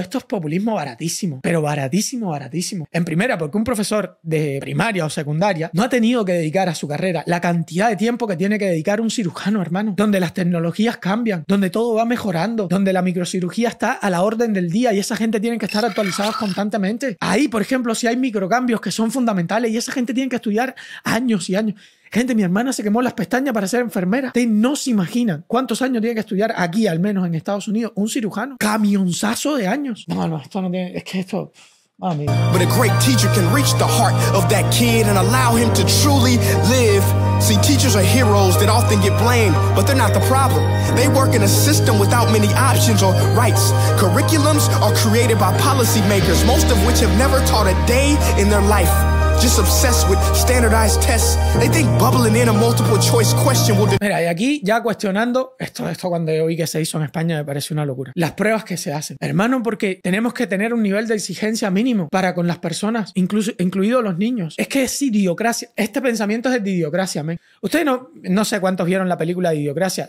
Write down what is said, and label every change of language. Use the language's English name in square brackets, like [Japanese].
[Spanish] Esto es populismo baratísimo, pero baratísimo, baratísimo. En primera, porque un profesor de primaria o secundaria no ha tenido que dedicar a su carrera la cantidad de tiempo que tiene que dedicar un cirujano, hermano, donde las tecnologías cambian, donde todo va mejorando, donde la microcirugía está a la orden del día y esa gente tiene que estar actualizada constantemente. Ahí, por ejemplo, si hay microcambios que son fundamentales y esa gente tiene que estudiar años y años. Gente, mi hermana se quemó las pestañas para ser enfermera. ¿Ustedes no se imaginan cuántos años tiene que estudiar aquí, al menos en Estados Unidos, un cirujano? ¡Camionzazo de años! No, no, esto no tiene... Es que esto... [English] But a great teacher can reach the heart of that kid and allow him to truly live. See, teachers are heroes that often get blamed, but they're not the problem. They work in a system without many options or rights. Curriculums are created by policymakers, most of which have never taught a day in their life. Just obsessed with standardized tests. They think bubbling in a multiple choice question will. [Spanish] Mira, y aquí ya cuestionando esto cuando yo vi que se hizo en España me pareció una locura. Las pruebas que se hacen, hermano, porque tenemos que tener un nivel de exigencia mínimo para con las personas, incluidos los niños. Es que es idiocracia. Este pensamiento es de idiocracia, men. Ustedes no sé cuántos vieron la película de Idiocracia.